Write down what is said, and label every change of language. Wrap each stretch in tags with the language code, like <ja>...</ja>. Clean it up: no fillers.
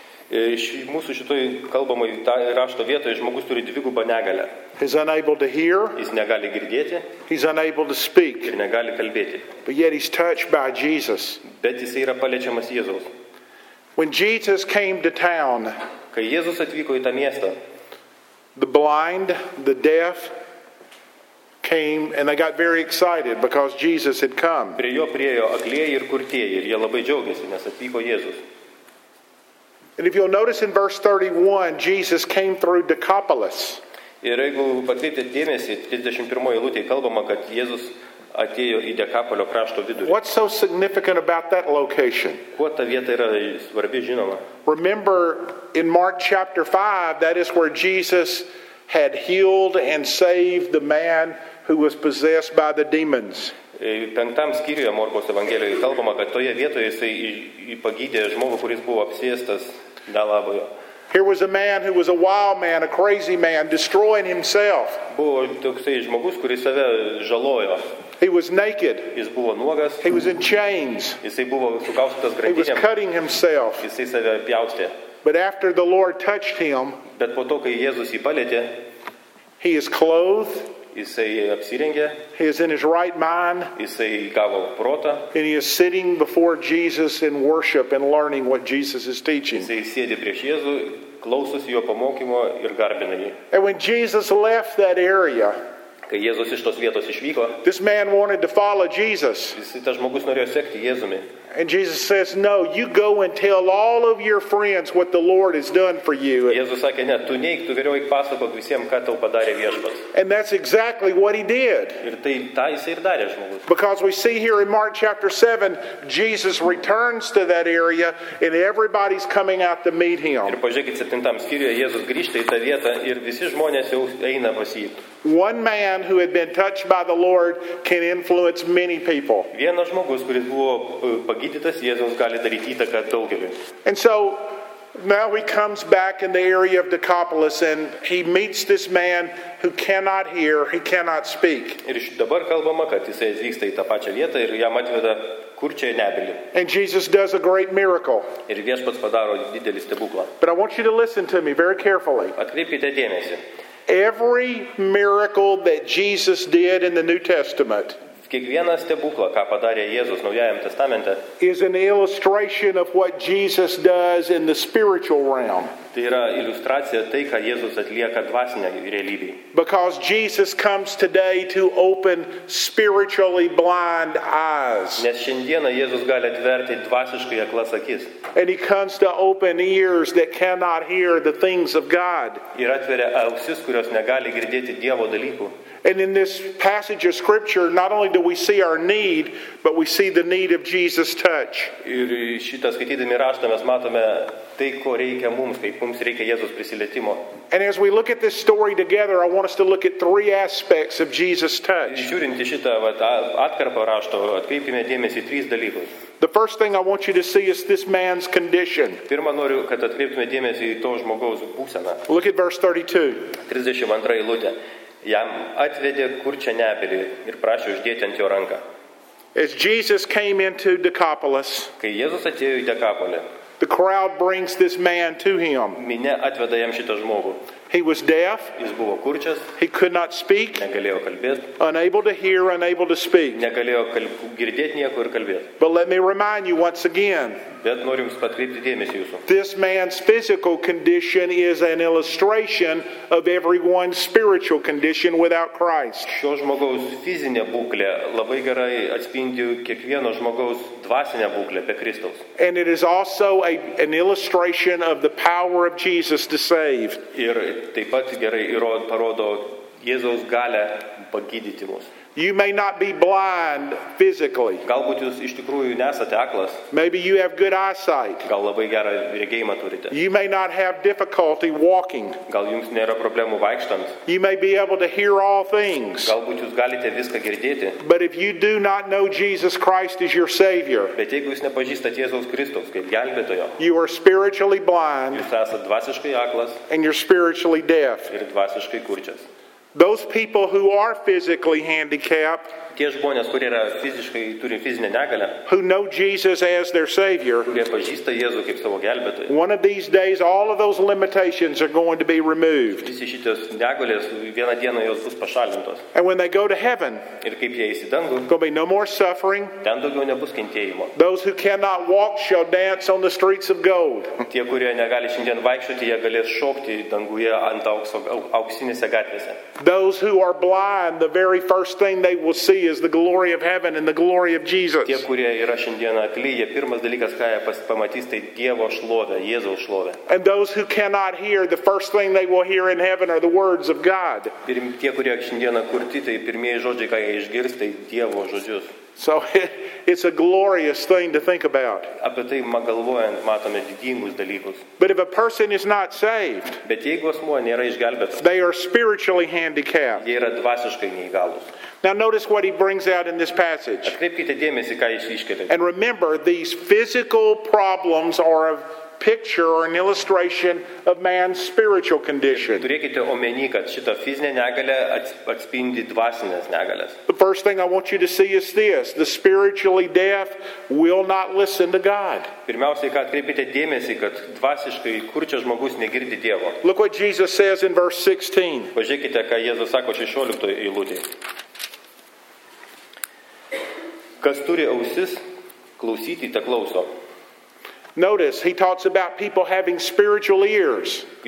<lt>Iš mūsų šitoj kalbamoj rašto vietoj žmogus turi dvigubą negalę.</lt> <en>He's unable to hear.</en> <lt>Jis negali girdėti.</lt> <en>He's unable to speak.</en> <lt>Ir negali kalbėti.</lt> <en>But yet he's touched by Jesus.</en> <lt>Bet jis yra paliečiamas Jėzaus.</lt> <en>When Jesus came to town,</en> <lt>kai Jėzus atvyko į tą miestą,</lt> <en>the blind, the deaf came and they got very excited because Jesus had come.</en> <lt>Prie jo priejo aklieji ir kurtieji ir jie labai džiaugėsi, nes atvyko Jėzus.</lt> <en>And if you'll notice in verse 31, Jesus came through Decapolis.</en> <lt>Ir jeigu patkreipėt dėmesį, 31 eilutėje kalbama, kad Jėzus atėjo į Dekapolio krašto vidurį.</lt> <en>What's so significant about that location?</en> <lt>Kuo ta vieta yra svarbi, žinoma?</lt> <en>Remember in Mark chapter 5, that is where Jesus had healed and saved the man who was possessed by the demons.</en> <lt>Penktam skyriuje Morkaus Evangelijoje kalbama, kad toje vietoje jisai pagydė žmogų, kuris buvo apsėstas dėlavojo.</lt> <en>Here was a man who was a wild man, a crazy man, destroying himself.</en> <lt>Buvo toksai žmogus, kuris save žalojo.</lt> <en>He was naked.</en> <lt>Jis buvo nuogas.</lt> <en>He was in chains.</en> <lt>Jisai buvo sukaustytas grandinėm.</lt> <en>He was cutting himself.</en> <lt>Jisai save pjaustė.</lt> <en>But after the Lord touched him,</en> <lt>bet po to, kai Jėzus jį palietė,</lt> <en>he is clothed.</en> <lt>Jisai apsirengė.</lt> <en>He is in his right mind.</en> <lt>Jisai gavo protą.</lt> <en>And he is sitting before Jesus in worship and learning what Jesus is teaching.</en> <lt>Jisai sėdi prieš Jėzų, klausosi jo pamokymo ir garbina jį.</lt> <en>And when Jesus left that area,</en> <lt>kai Jėzus iš tos vietos išvyko,</lt> <en>this man wanted to follow Jesus.</en> <lt>Jisai tas žmogus norėjo sekti Jėzumi.</lt> <en>And Jesus says, no, you go and tell all of your friends what the Lord has done for you.</en> <lt>Jėzus sakė, ne, tu neik, tu geriau eik pasakok visiems, ką tau padarė Viešpats.</lt> <en>And that's exactly what he did.</en> <lt>Ir tai tą jis ir darė žmogus.</lt> <en>Because we see here in Mark chapter 7, Jesus returns to that area and everybody's coming out to meet him.</en> <lt>Ir pažiūrėkit, 7 skyriuje Jėzus grįžta į tą vietą ir visi žmonės jau eina pas jį.</lt> <en>One man who had been touched by the Lord can influence many people.</en> <lt>Vienas žmogus, kuris buvo pagydytas, Jėzus gali daryti įtaką daugeliui.</lt> <en>And so now he comes back in the area of Decapolis and he meets this man who cannot hear, he cannot speak.</en> <lt>Ir dabar kalbama, kad jisai atvyksta į tą pačią vietą ir jam atveda kurčiai nebelį.</lt> <en>And Jesus does a great miracle.</en> <lt>Ir Viešpats padaro didelį stebuklą.</lt> <en>But I want you to listen to me very carefully.</en> <lt>Atkreipkite dėmesį.</lt> <en>Every miracle that Jesus did in the New Testament,</en> <lt>kiekvienas stebuklas, ką padarė Jėzus Naujajame Testamente,</lt> <en>is an illustration of what Jesus does in the spiritual realm.</en> <lt>Tai yra iliustracija tai, ką Jėzus atlieka dvasinė realybė.</lt> <en>Because Jesus comes today to open spiritually blind eyes.</en> <lt>Nes šiandieną Jėzus gali atverti dvasiškai aklas akis.</lt> <en>And he comes to open ears that cannot hear the things of God.</en> <lt>Ir atveria ausis, kurios negali girdėti Dievo dalykų.</lt> <en>And in this passage of scripture, not only do we see our need, but we see the need of Jesus' touch.</en> <lt>Ir šitą skaitydami raštą mes matome tai, ko reikia mums, kaip mums reikia Jėzus prisilietimo.</lt> <en>And as we look at this story together, I want us to look at three aspects of Jesus' touch.</en> <lt>Žiūrint į šitą atkarpą rašto, atkreipkime dėmesį tris dalykus.</lt> <en>The first thing I want you to see is this man's condition.</en> <lt>Pirma, noriu, kad atkreiptume dėmesį į to žmogaus būseną.</lt> <en>Look at verse 32.</en> <lt>32 eilutė. Jam atvedė kurčią nebelį ir prašė uždėti ant jo ranką.</lt> <en>As Jesus came into Decapolis,</en> <lt>kai Jėzus atėjo į Dekapolį,</lt> <en>the crowd brings this man to him.</en> <lt>Minia atveda jam šitą žmogų.</lt> <en>He was deaf.</en> <lt>Jis buvo kurčias.</lt> <en>He could not speak.</en> <lt>Negalėjo kalbėti.</lt> <en>Unable to hear, unable to speak.</en> <lt>Negalėjo girdėti nieko ir kalbėti.</lt> <en>But let me remind you once again.</en> <lt>Bet noriu jums patkreipti dėmesį jūsų.</lt> <en>This man's physical condition is an illustration of everyone's spiritual condition without Christ.</en> <lt>Šio žmogaus fizinė būklė labai gerai atspindi kiekvieno žmogaus dvasinę būklę be Kristaus.</lt> <en>And it is also an illustration of the power of Jesus to save.</en> <lt>Ir taip pat gerai parodo Jėzaus galę pagydyti mus.</lt> <en>You may not be blind physically.</en> <lt>Galbūt jūs iš tikrųjų nesate aklas.</lt> <en>Maybe you have good eyesight.</en> <lt>Gal labai gerą regėjimą turite.</lt> <en>You may not have difficulty walking.</en> <lt>Gal jums nėra problemų vaikštant.</lt> <en>You may be able to hear all things.</en> <lt>Galbūt jūs galite viską girdėti.</lt> <en>But if you do not know Jesus Christ as your Savior,</en> <lt>bet jeigu jūs nepažįstate Jėzaus Kristaus kaip gelbėtojo,</lt> <en>you are spiritually blind.</en> <lt>Jūs esate dvasiškai aklas.</lt> <en>And you're spiritually deaf.</en> <lt>Ir dvasiškai kurčias.</lt> <en>Those people who are physically handicapped,</en> <lt>tie žmonės, kurie yra fiziškai turi fizinę negalę,</lt> <en>who know Jesus as their Savior,</en> <lt>kurie pažįsta Jėzų kaip savo gelbėtoją,</lt> <en>one of these days all of those limitations are going to be removed.</en> <lt>Visi šitos negalės vieną dieną jos bus pašalintos.</lt> <en>And when they go to heaven,</en> <lt>ir kaip jie eis į dangų,</lt> <en>there'll be no more suffering.</en> <lt>Ten daugiau nebus kentėjimo.</lt> <en>Those who cannot walk shall dance on the streets of gold.</en> <lt>Tie, kurie negali šiandien vaikščioti, jie galės šokti danguje ant auksinėse gatvėse.</lt> <en>Those who are blind, the very first thing they will see is the glory of heaven and the glory of Jesus.</en> <lt>Tie, kurie yra šiandieną aklyje, pirmas dalykas, ką jie pamatys, tai Dievo šlovę, Jėzaus šlovę.</lt> <en>And those who cannot hear, the first thing they will hear in heaven are the words of God.</en> <lt>Tie, kurie šiandieną kurti, tai pirmieji žodžiai, ką jie išgirs, tai Dievo žodžius.</lt> <en>So it's a glorious thing to think about.</en> <lt>Apie tai galvojant, matome didingus dalykus.</lt> <en>But if a person is not saved,</en> <lt>bet jeigu asmuo nėra išgelbėtas,</lt> <en>they are spiritually handicapped.</en> <lt>Jie yra dvasiškai neįgalus.</lt> <en>Now notice what he brings out in this passage.</en> <lt>Atkreipkite dėmesį, ką jis iškelia.</lt> <en>And remember, these physical problems are of picture or an illustration of man's spiritual condition.</en> <lt>Turėkite omeny, kad šita fizinė negalė atspindi dvasinės negalės.</lt> <en>The first thing I want you to see is this: the spiritually deaf will not listen to God.</en> <lt>Pirmiausiai, ką atkreipite dėmesį, kad dvasiškai kurčias žmogus negirdi Dievo.</lt> <en>Look what Jesus says in verse 16.</en> <lt>Pažiūrėkite, ką Jėzus sako 16 eilutėje. Kas turi ausis klausyti, te klauso.</lt> <en>Notice, he talks about people having spiritual ears.</en>